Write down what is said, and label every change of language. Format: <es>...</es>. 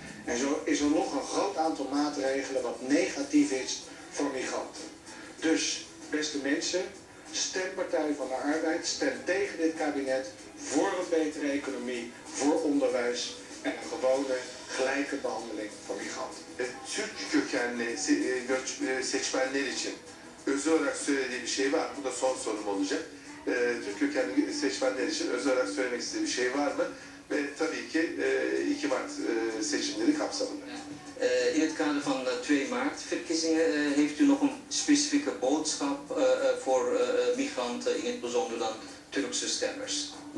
<nl>En zo is er nog een groot aantal maatregelen wat negatief is voor migranten. Dus, beste mensen, stem Partij van de Arbeid, stem tegen dit kabinet voor een betere economie, voor onderwijs en een gewone gelijke behandeling van migranten.</nl> <tr>Türk kökenli seçmenler için özel olarak söylediği bir şey var mı? Bu da son sorum olacak. Türk kökenli seçmenler için özel olarak söylemek istediği bir şey var mı? Ve tabii ki 2 Mart seçimleri kapsamında.</tr> <nl>In het kader van de 2 Mart verkiezingen heeft u nog een specifieke boodschap voor migranten, in het bijzonder dan Turkse stemmers?</nl>